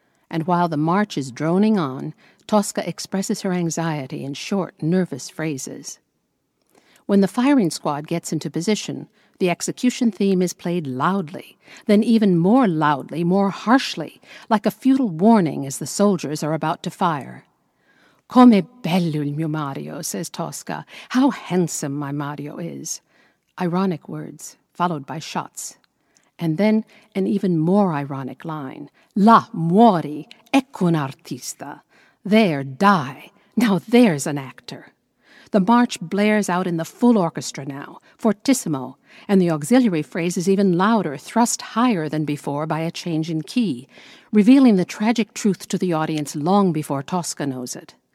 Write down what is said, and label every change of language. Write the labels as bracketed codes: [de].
[en] And while the march is droning on, Tosca expresses her anxiety in short, nervous phrases. When the firing squad gets into position, the execution theme is played loudly, then even more loudly, more harshly, like a futile warning as the soldiers are about to fire. [it] Come bello il mio Mario, [en] says Tosca. How handsome my Mario is. Ironic words, followed by shots. And then an even more ironic line. [it] La muori, ecco un artista. [en] There, die. Now there's an actor. The march blares out in the full orchestra now, fortissimo, and the auxiliary phrase is even louder, thrust higher than before by a change in key, revealing the tragic truth to the audience long before Tosca knows it.